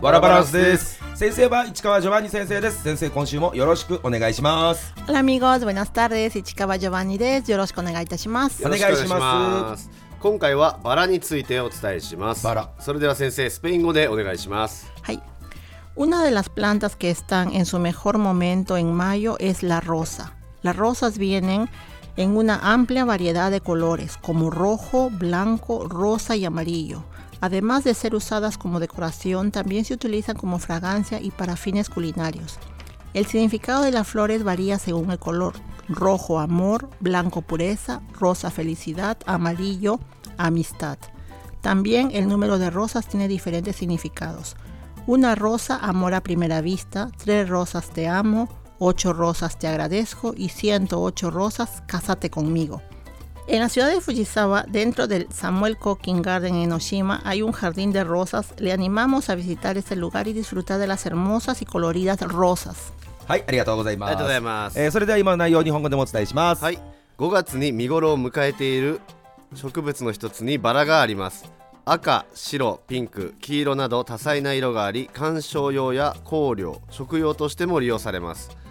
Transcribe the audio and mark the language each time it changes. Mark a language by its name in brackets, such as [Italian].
[Japanese] ワラバランスです。先生は市川ジョバンニ先生です。先生、今週もよろしくお願いします。アラミゴーズ、ブナスタールです。市川ジョバンニです。よろしくお願いいたします。お願いします。今回はバラについてお伝えします。バラ、それでは先生、スペイン語でお願いします。はい。 [Spanish] Una de las plantas que están en su mejor momento en mayo es la rosa. Las rosas vienenEn una amplia variedad de colores, como rojo, blanco, rosa y amarillo. Además de ser usadas como decoración, también se utilizan como fragancia y para fines culinarios. El significado de las flores varía según el color: rojo, amor; blanco, pureza; rosa, felicidad; amarillo, amistad. También el número de rosas tiene diferentes significados: una rosa, amor a primera vista; tres rosas, te amo;8 rosas, te agradezco; y 108 rosas, cásate conmigo. En la ciudad de Fujisawa, dentro del Samuel Cooking Garden en Oshima, hay un jardín de rosas. Le animamos a visitar este lugar y disfrutar de las hermosas y coloridas rosas. [Japanese] はい、ありがとうございます。ありがとうございます。それでは今の内容を日本語でもお伝えします。はい。 5月に見頃を迎えている植物の一つにバラがあります。赤、白、ピンク、黄色など多彩な色があり、観賞用や香料、食用としても利用されます。